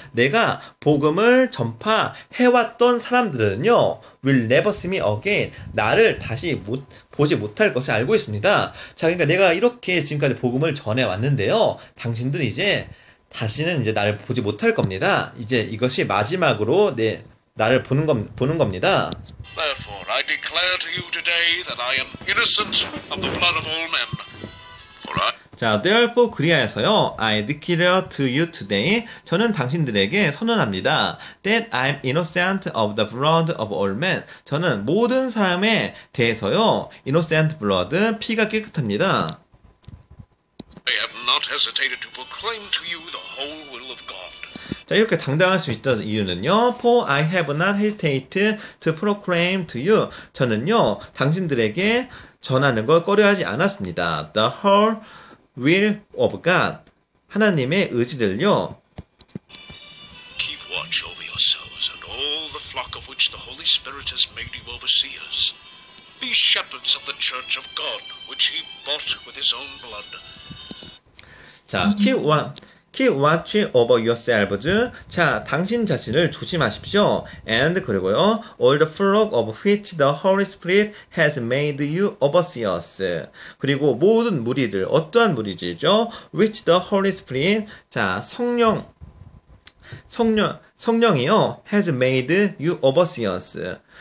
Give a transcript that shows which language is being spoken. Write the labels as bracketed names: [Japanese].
[Korean] 내가 복음을 전파해왔던 사람들은요, [English] will never see me again. [Korean] 나를 다시 보지 못할 것을 알고 있습니다. 자, 그러니까 내가 이렇게 지금까지 복음을 전해왔는데요, 당신들 이제, 다시는 이제 나를 보지 못할 겁니다. 이제 이것이 마지막으로 나를 보는 겁니다. [English] Therefore, I declare to you today that I am innocent of the blood of all men. For I... 자, therefore, [Korean] 그리하여서요. [English] I declare to you today. [Korean] 저는 당신들에게 선언합니다. [English] That I am innocent of the blood of all men. [Korean] 저는 모든 사람에 대해서요. [English] innocent blood, [Korean] 피가 깨끗합니다. [English] I have not hesitated to proclaim to you the whole will of God. [Korean] 자, 이렇게 당당할 수 있다는 이유는요. [English] For I have not hesitated to proclaim to you. [Korean] 저는요, 당신들에게 전하는 걸 꺼려하지 않았습니다. [English] The whole will of God. [Korean] 하나님의 의지를요. [English] Keep watch over yourselves and all the flock of which the Holy Spirit has made you overseers. Be shepherds of the church of God, which he bought with his own blood. 자, keep watch over yourselves. [Korean] 자, 당신 자신을 조심하십시오. [English] And, [Korean] 그리고요, [English] all the flock of which the Holy Spirit has made you overseers. [Korean] 그리고 모든 무리들, 어떠한 무리들이죠? [English] Which the Holy Spirit, 자, [Korean] 성령이요, [English] has made you overseers.